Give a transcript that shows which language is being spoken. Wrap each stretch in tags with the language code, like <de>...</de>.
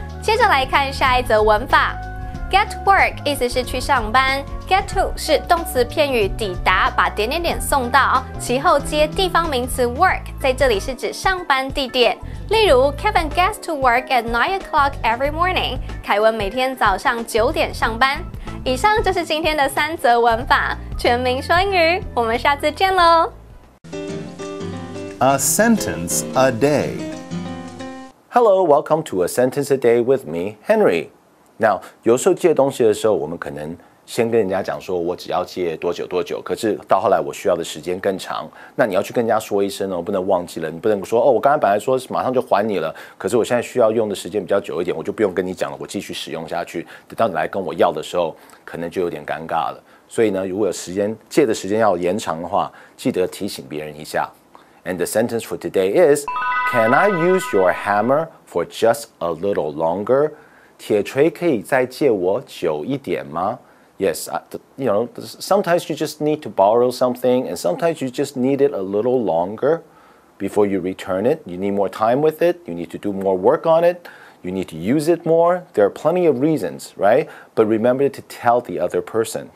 <zh>接着来看下一则文法，</zh> <en>Get to work</en> <zh>意思是去上班， Get to 是动词片语抵达，把点点点送到，其后接地方名词 work， 在这里是指上班地点。例如</zh> <en>Kevin gets to work at 9 o'clock every morning，</en> <zh>凯文每天早上9点上班。以上就是今天的三则文法，全民说英语，我们下次见咯。</zh> <en>A sentence a day. Hello, welcome to A Sentence a Day with me, Henry.</en> <zh>Now, 有时候借东西的时候，我们可能先跟人家讲说我只要借多久多久，可是到后来我需要的时间更长，那你要去跟人家说一声哦，不能忘记了，你不能说哦，我刚才本来说马上就还你了，可是我现在需要用的时间比较久一点，我就不用跟你讲了，我继续使用下去，等到你来跟我要的时候可能就有点尴尬了。所以呢，如果有时间借的时间要延长的话，记得提醒别人一下。</zh> <en>And the sentence for today is Can I use your hammer for just a little longer?</en> <zh>铁锤可以再借我久一点吗？</zh> <en>Yes, you know, sometimes you just need to borrow something, and sometimes you just need it a little longer before you return it. You need more time with it. You need to do more work on it. You need to use it more. There are plenty of reasons, right? But remember to tell the other person.</en>